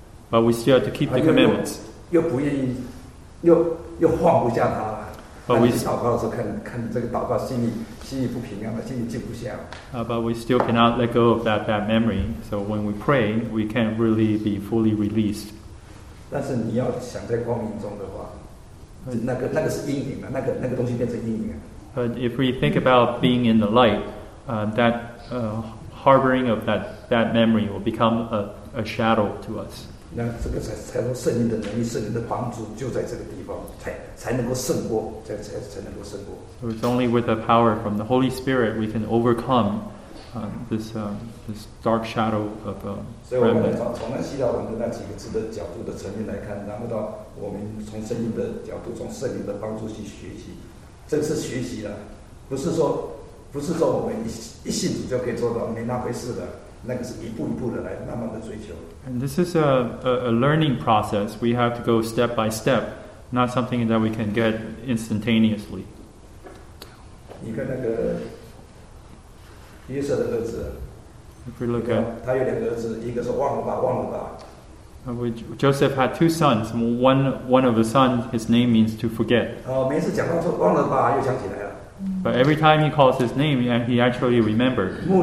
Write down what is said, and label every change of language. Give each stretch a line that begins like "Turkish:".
English: But we still have to keep the commandments. But we still cannot let go of that bad memory. So when we pray, we can't really be fully released.
Chinese: 但是你要想在光明中的话那个是阴影啊，那个东西变成阴影啊。
English: But if we think about being in the light, that harboring of that memory will become a shadow to us.
Chinese: 那这个才说圣灵的能力，圣灵的帮助就在这个地方，才能够胜过，才能够胜过。
English: So it's only with the power from the Holy Spirit we can overcome this dark shadow of remnant.
Chinese: 所以我们从南希腊文的那几个字的角度的层面来看，然后到我们从圣灵的角度，从圣灵的帮助去学习。这是学习的，不是说我们一信主就可以做到，没那回事的。那个是一步一步的来，慢慢的追求。
English: And this is a learning process. We have to go step by step, not something that we can get instantaneously.
Chinese: 你看那个约瑟的儿子
English: ，If we look at
Chinese: 他有两个儿子，一个是忘了吧。
English: Joseph had two sons. One of the sons, his name means to forget. But every time he calls his name, he actually remembered.